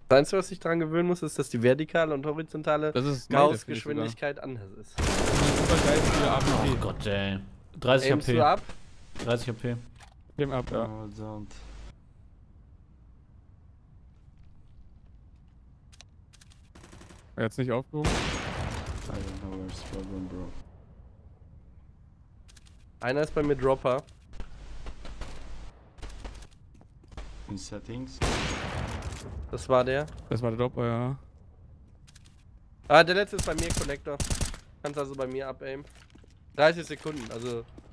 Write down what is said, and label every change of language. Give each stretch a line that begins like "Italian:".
German: Das Einzige, was ich daran gewöhnen muss, ist, dass die vertikale und horizontale Mausgeschwindigkeit anders ist. Super geil für die AP. Oh Gott, ey. 30 AP. Aimst du ab? 30 AP. Aim ab, ja. Oh, er hat's nicht aufgehoben.
English: I don't know where's the problem, bro.
German: Einer ist bei mir Dropper. In Settings. Das war der. Das war der Dropper, ja. Ah, der letzte ist bei mir Connector. Kannst also bei mir up-aim. 30 Sekunden, also.